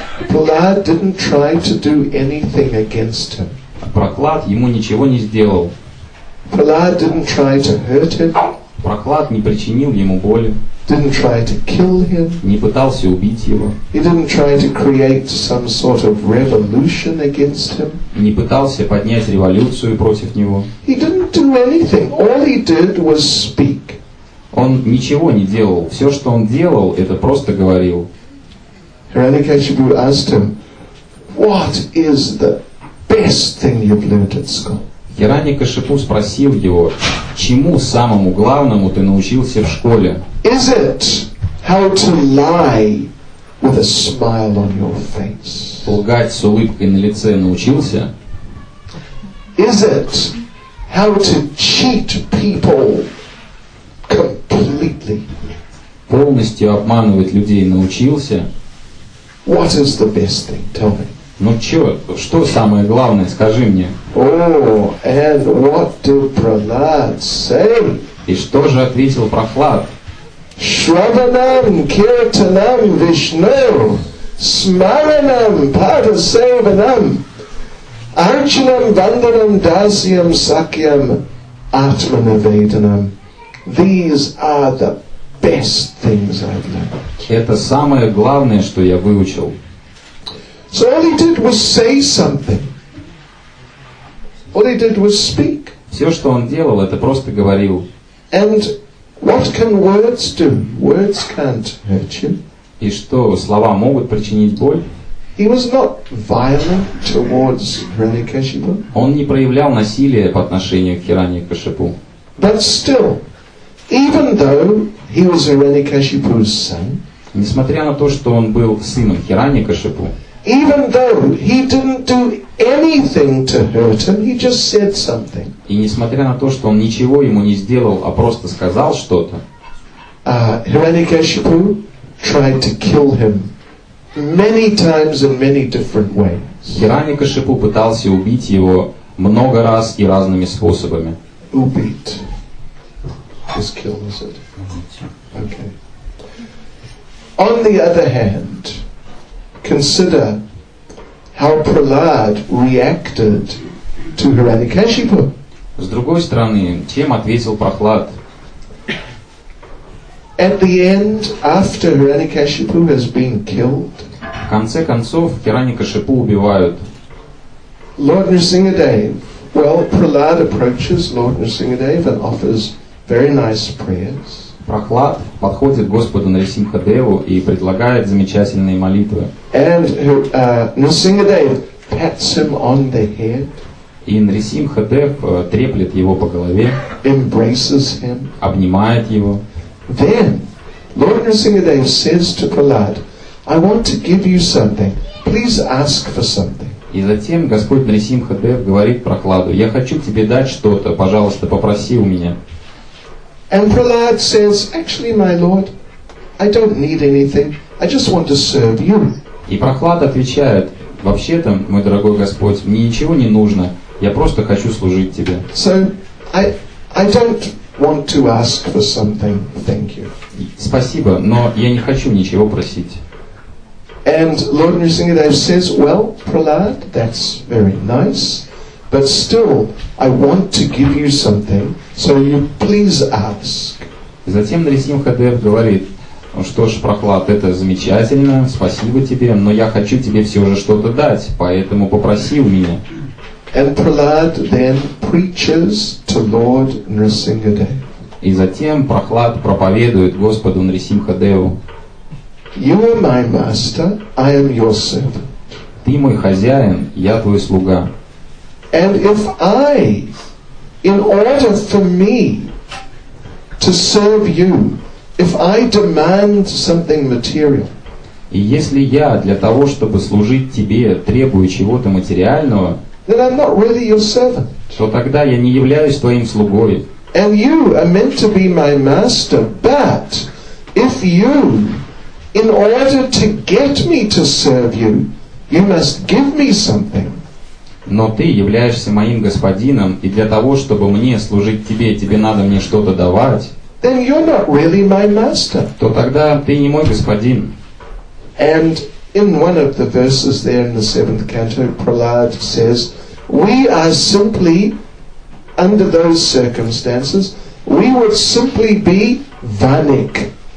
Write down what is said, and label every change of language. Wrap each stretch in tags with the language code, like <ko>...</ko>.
<en>Prahlad didn't try to do anything against him.</en> <ru>Прохлад ему ничего не сделал.</ru> <en>Prahlad didn't try to hurt him.</en> <ru>Прохлад не причинил ему боли.</ru> <en>Didn't try to kill him.</en> <ru>Не пытался убить его.</ru> <en>He didn't try to create some sort of revolution against him.</en> <ru>Не пытался поднять революцию против него.</ru> <en>He didn't do anything. All he did was speak.</en> <ru>Он ничего не делал. Все, что он делал, это просто говорил.</ru> <en>Hiranyakashipu asked him, "What is the best thing you've learned at school?"</en> <ru>Hiranyakashipu спросил его, чему самому главному ты научился в школе?</ru> <en>Is it how to lie with a smile on your face?</en> <ru>Лгать с улыбкой на лице научился?</ru> <en>is it how to cheat people completely?</en> <ru>Полностью обманывать людей научился.</ru> <en>What is the best thing? Tell me.</en> <ru>Ну чё, что самое главное, скажи мне.</ru> <en>Oh, and what did Prahlad say?</en> <ru>И что же ответил Прохлад?</ru> <sa>Shravanam Kirtanam Vishnu Smaranam Padasevanam Archanam Vandanam Dasyam Sakyam Atmanivedanam.</sa> <en>These are the best things I've learned.</en> <ru>Это самое главное, что я выучил.</ru> <en>So all he did was say something. All he did was speak.</en> <ru>Все, что он делал, это просто говорил.</ru> <en>And what can words do? Words can't hurt you.</en> <ru>И что слова могут причинить боль?</ru> <en>He was not violent towards Hiranyakashipu.</en> <ru>Он не проявлял насилия по отношению к Хираньякашипу.</ru> <en>But still, even though he was Hiranyakashipu's son,</en> <ru>несмотря на то, что он был сыном Хиранья-Кашипу,</ru> <en>even though he didn't do anything to hurt him, he just said something.</en> <ru>И несмотря на то, что он ничего ему не сделал, а просто сказал что-то,</ru> <en>Hiranyakashipu tried to kill him many times in many different ways.</en> <ru>Hiranyakashipu пытался убить его много раз и разными способами. Убит.</ru> <en>Just kill, is it? Okay. On the other hand, consider how Prahlad reacted to Hiranyakashipu.</en> <ru>С другой стороны, чем ответил Прохлад?</ru> <en>At the end, after Hiranyakashipu has been killed,</en> <ru>в конце концов Хиранья-Кашипу убивают.</ru> <en>Lord Nrisimhadev, well, Prahlad approaches Lord Nrisimhadev and offers very nice prayers.</en> <ru>Прохлад подходит к Господу Нарисимхадеву и предлагает замечательные молитвы.</ru> <en>And Nrisimhadev pats him on the head.</en> <ru>И Нрисимхадев треплет его по голове.</ru> <en>Embraces him.</en> <ru>Обнимает его.</ru> <en>Then Lord Nrisimhadev says to Prahlad, "I want to give you something. Please ask for something."</en> <ru>И затем Господь Нрисимхадев говорит Прохладу: "Я хочу тебе дать что-то. Пожалуйста, попроси у меня."</ru> <en>And Prahlad says, "Actually, my lord, I don't need anything. I just want to serve you."</en> <ru>И Прохлад отвечает: "Вообще-то, мой дорогой Господь, мне ничего не нужно. Я просто хочу служить тебе."</ru> <en>So I don't want to ask for something. Thank you.</en> <ru>Спасибо, но я не хочу ничего просить.</ru> <en>And Lord Nrisimhadev says, "Well, Prahlad, that's very nice. But still, I want to give you something, so you please ask."</en> <ru>Затем Нрисимхадев говорит: "Что ж, Прохлад, это замечательно, спасибо тебе, но я хочу тебе все же что-то дать, поэтому попроси у меня."</ru> <en>And Prahlad then preaches to Lord Nrisimhadev.</en> <ru>И затем Прохлад проповедует Господу Нрисимхадеву:</ru> <en>"You are my master, I am your servant."</en> <ru>Ты мой хозяин, я твой слуга.</ru> <en>And if I, in order for me to serve you, if I demand something material,</en> <ru>и если я для того, чтобы служить тебе, требую чего-то материального,</ru> <en>then I'm not really your servant.</en> <ru>То тогда я не являюсь твоим слугой.</ru> <en>And you are meant to be my master, but if you, in order to get me to serve you, you must give me something.</en> <ru>Но ты являешься моим господином, и для того, чтобы мне служить тебе, тебе надо мне что-то давать.</ru> <en>Then you're not really my master.</en> <ru>То тогда ты не мой господин.</ru> <en>And in one of the verses there in the seventh canto, Prahlad says, "We are simply under those circumstances, we would simply be vanik."</en>